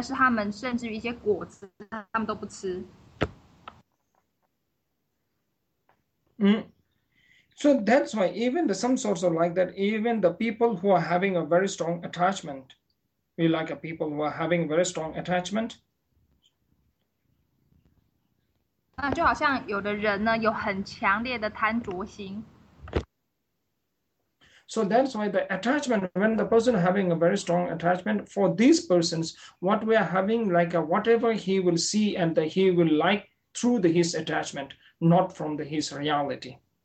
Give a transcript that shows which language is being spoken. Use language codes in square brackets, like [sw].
[zh] 那就是这个例子是说呢，这个孔雀呢都会吃这个毒，但是它们甚至于一些果子，它们都不吃。 [en] So that's why even the some sorts of like that, even the people who are having a very strong attachment, we like a people who are having very strong attachment. [zh] 就好像有的人呢，有很强烈的贪着心。 [en] So that's why the attachment, when the person having a very strong attachment for these persons, what we are having like a, whatever he will see and that he will like through the his attachment, not from the his reality.